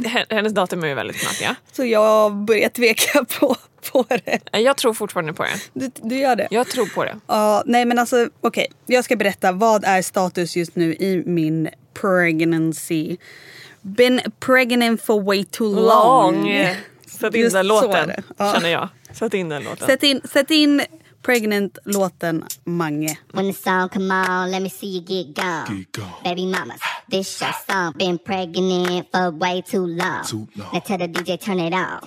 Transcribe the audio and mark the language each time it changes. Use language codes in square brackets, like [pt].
[sv] Hennes datum är ju väldigt snart, ja. Så jag börjar tveka på det. Jag tror fortfarande på det. Du gör det? Jag tror på det. Nej, men alltså, okej. Okay. Jag ska berätta, vad är status just nu i min pregnancy? [en] Been pregnant for way too long. [sv] Sätt in just den låten, känner jag. Sätt in den låten. Sätt in Pregnant-låten Mange. [en] When the song come on, let me see you get gone. Baby mamas, this your song. Been pregnant for way too long. Now tell the DJ, turn it on.